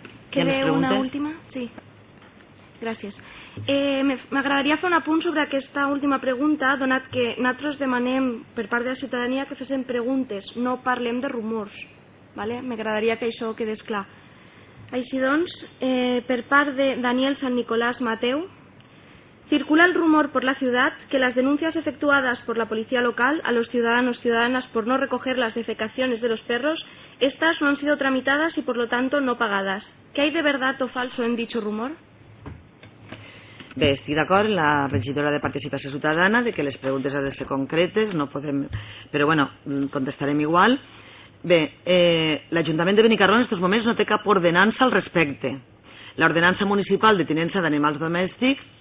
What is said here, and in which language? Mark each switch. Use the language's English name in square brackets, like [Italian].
[Catalan] Queda una última? Sí. Gràcies. M'agradaria fer un apunt sobre aquesta última pregunta, donat que nosaltres demanem per part de la ciutadania que fessin preguntes, no parlem de rumors. ¿Vale? M'agradaria que això quedés clar. Així doncs, per part de [Spanish] Daniel San Nicolás Mateu, circula el rumor por la ciudad que las denuncias efectuadas por la policía local a los ciudadanos y ciudadanas por no recoger las defecaciones de los perros, estas no han sido tramitadas y por lo tanto no pagadas. ¿Qué hay de verdad o falso en dicho rumor? [Catalan] Bé, estic d'acord amb la regidora de Participació Ciutadana de que les preguntes han de ser concretes, no podem, però bueno, contestarem igual. Bé, l'Ajuntament de Benicarló en aquests moments no té cap ordenança al respecte. L'ordenança municipal de tinença d'animals domèstics